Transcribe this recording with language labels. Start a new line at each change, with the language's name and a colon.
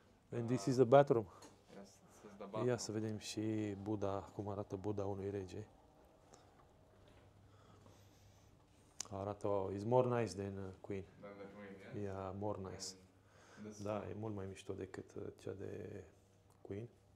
English: And this is the bathroom. Yes, this is the bathroom.
Romanian: Ia să vedem și Buddha, cum arată Buddha unui rege.
English: Arată, wow, it's more nice than Queen. Than the Queen, yes. Yeah, more nice.
Romanian: Da, e mult mai mișto decât cea de Queen.